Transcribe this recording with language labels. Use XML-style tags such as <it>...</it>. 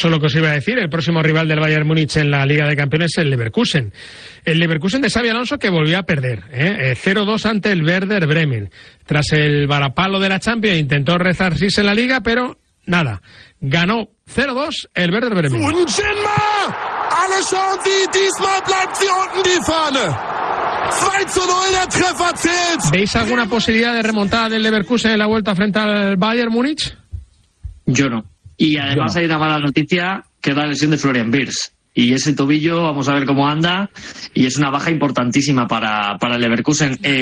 <es>Eso es lo que os iba a decir, el próximo rival del Bayern Múnich en la Liga de Campeones es el Leverkusen. El Leverkusen de Xabi Alonso, que volvió a perder, 0-2 ante el Werder Bremen. Tras el varapalo de la Champions intentó resarcirse en la Liga, pero nada, ganó 0-2 el Werder Bremen.</es> <de>Wunschenma! Alle schauen sie, diesmal bleibt sie unten die Fahne. 2-0, der Treffer zählt.</de> <es>¿Veis alguna posibilidad de remontada del Leverkusen en la vuelta frente al Bayern Múnich? Yo no. Y además no. Hay una mala noticia, que es la lesión de Florian Wirtz. Y ese tobillo, vamos a ver cómo anda, y es una baja importantísima para el Leverkusen.</es>